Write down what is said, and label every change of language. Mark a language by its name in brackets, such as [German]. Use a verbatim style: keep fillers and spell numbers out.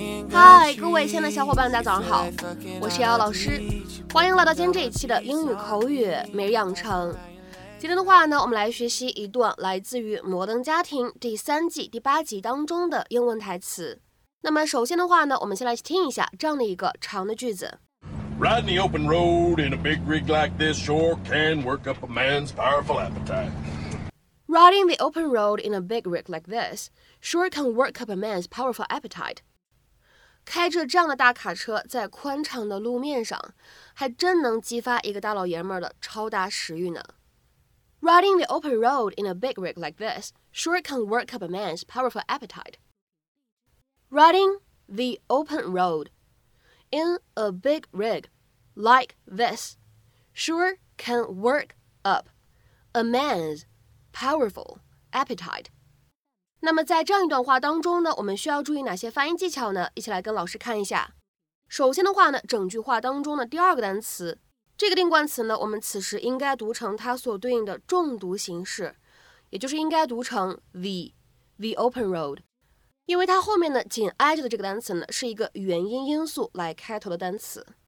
[Chinese] 嗨，各位亲爱的小伙伴，大家早上好，我是姚老师，欢迎来到今天这一期的英语口语每日养成。今天的话呢，我们来学习一段来自于《摩登家庭》第三季第八集当中的英文台词。那么首先的话呢，我们先来听一下这样的一个长的句子。 [English] Riding the open road in a big rig like this sure can work up a man's powerful appetite. Riding the open road in a big rig like this sure can work up a man's powerful appetite. [Chinese] 开着这样的大卡车在宽敞的路面上，还真能激发一个大老爷们儿的超大食欲呢。 [English] Riding the open road in a big rig like this sure can work up a man's powerful appetite. Riding the open road in a big rig like this sure can work up a man's powerful appetite. [Chinese] 那么在这样一段话当中呢，我们需要注意哪些发音技巧呢？一起来跟老师看一下。首先的话呢，整句话当中的第二个单词，这个定冠词呢，我们此时应该读成它所对应的重读形式，也就是应该读成 [English] the the open road， [Chinese] 因为它后面呢紧挨着的这个单词呢是一个元音因素来开头的单词。